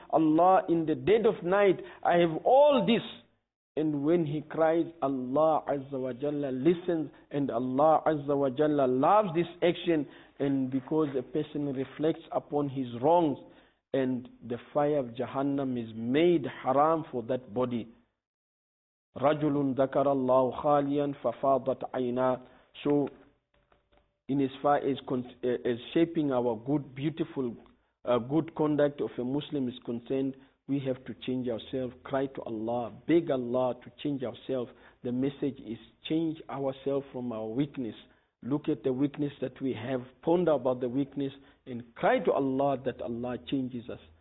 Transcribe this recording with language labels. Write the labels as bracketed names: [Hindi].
[English] Allah, in the dead of night, I have all this. And when he cries, Allah Azza wa Jalla listens and Allah Azza wa Jalla loves this action. And because a person reflects upon his wrongs and the fire of Jahannam is made haram for that body. [Arabic] رجل ذكر الله خاليا ففاضت عيناه. [English] So in as far as shaping our good, beautiful, good conduct of a Muslim is concerned, we have to change ourselves, cry to Allah, beg Allah to change ourselves. The message is change ourselves from our weakness. Look at the weakness that we have, ponder about the weakness, and cry to Allah that Allah changes us.